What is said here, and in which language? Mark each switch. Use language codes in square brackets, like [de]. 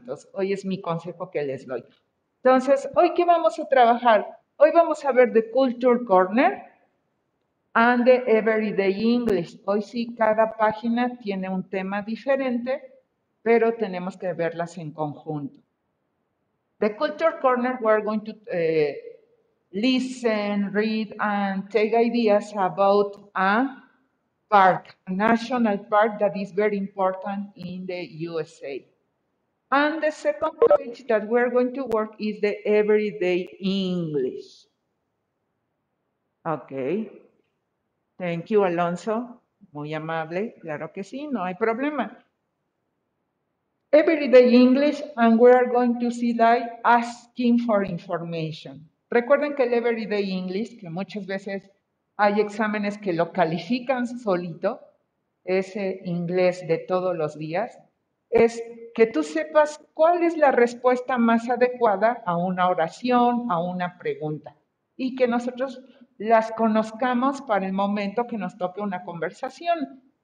[es] Entonces, hoy es mi consejo que les doy. Entonces, ¿hoy qué vamos a trabajar? Hoy vamos a ver The Culture Corner and the Everyday English. Hoy sí, cada página tiene un tema diferente, pero tenemos que verlas en conjunto. [en] The Culture Corner, we're going to listen, read, and take ideas about a park, a national park that is very important in the USA. And the second page that we're going to work is the Everyday English. Okay. Thank you, Alonso. [es] Muy amable. Claro que sí, no hay problema. [en] Everyday English, and we are going to see like asking for information. [es] Recuerden que el Everyday English, que muchas veces hay exámenes que lo califican solito, ese inglés de todos los días, es que tú sepas cuál es la respuesta más adecuada a una oración, a una pregunta, y que nosotros las conozcamos para el momento que nos toque una conversación.